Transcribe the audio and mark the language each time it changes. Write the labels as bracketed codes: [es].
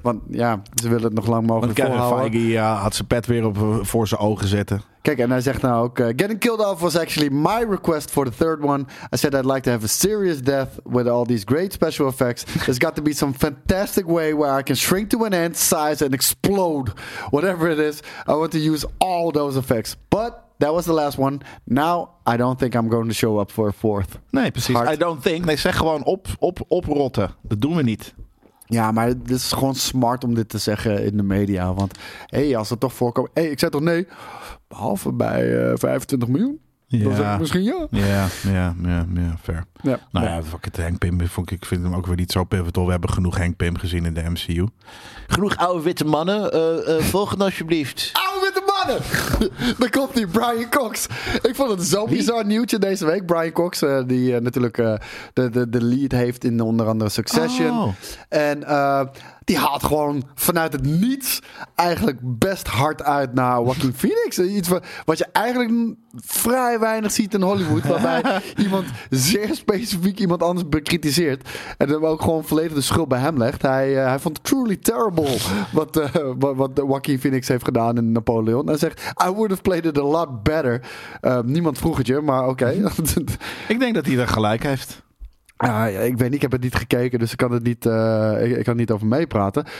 [nl] Want ja, ze willen het nog lang mogelijk volhouden. Want Kevin Feige had zijn pet weer voor zijn ogen zetten. Kijk, en hij zegt nou ook, [en] getting killed off was actually my request for the third one. I said I'd like to have a serious death with all these great special effects. There's got to be some fantastic way where I can shrink to an ant size and explode. Whatever it is, I want to use all those effects. But that was the last one. Now, I don't think I'm going to show up for a fourth. [nl] Nee, precies. [en] Heart. I don't think. [nl] Nee, zeg gewoon oprotten. Dat doen we niet. Ja, maar het is gewoon smart om dit te zeggen in de media. Want als het toch voorkomt... ik zei toch nee? Behalve bij 25 miljoen. Ja. Dan zeg ik misschien ja. Ja, fair. Ja. Nou ja, fuck it, Hank Pym. Ik vind hem ook weer niet zo pivotal. We hebben genoeg Hank Pym gezien in de MCU. Genoeg oude witte mannen. Volgende alsjeblieft. Oude witte mannen! Dan komt die Brian Cox. Ik vond het zo bizar nieuwtje deze week. Brian Cox, die natuurlijk de lead heeft in onder andere Succession. Oh. En... die haalt gewoon vanuit het niets eigenlijk best hard uit naar Joaquin Phoenix. Iets wat je eigenlijk vrij weinig ziet in Hollywood. Waarbij iemand zeer specifiek iemand anders bekritiseert. En dan ook gewoon volledig de schuld bij hem legt. Hij vond het [en] truly terrible [nl] wat Joaquin Phoenix heeft gedaan in Napoleon. En zegt, [en] I would have played it a lot better. [nl] Niemand vroeg het je, maar okay. Ik denk dat hij er gelijk heeft. Ik weet niet, ik heb het niet gekeken, dus ik kan het niet, ik kan niet over meepraten.